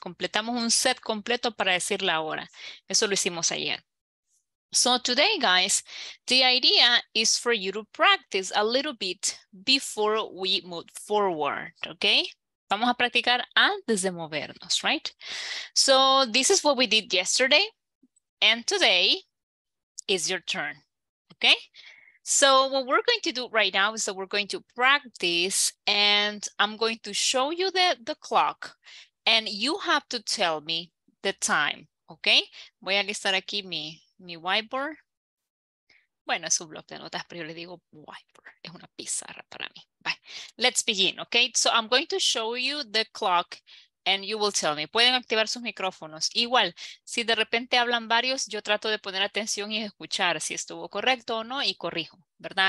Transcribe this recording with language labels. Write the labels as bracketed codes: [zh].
[es] Completamos un set completo para decir la hora. Eso lo hicimos ayer. [en] So today, guys, the idea is for you to practice a little bit before we move forward, okay? [es] Vamos a practicar antes de movernos, right? [en] So this is what we did yesterday, and today is your turn, okay? So what we're going to do right now is that we're going to practice, and I'm going to show you the clock, and you have to tell me the time, okay? [es] Voy a listar aquí mi whiteboard. Bueno, es un bloc de notas, pero yo le digo whiteboard. Es una pizarra para mí. Bye. [en] Let's begin, okay? So I'm going to show you the clock and you will tell me. [es] Pueden activar sus micrófonos. Igual, si de repente hablan varios, yo trato de poner atención y escuchar si estuvo correcto o no y corrijo, ¿verdad?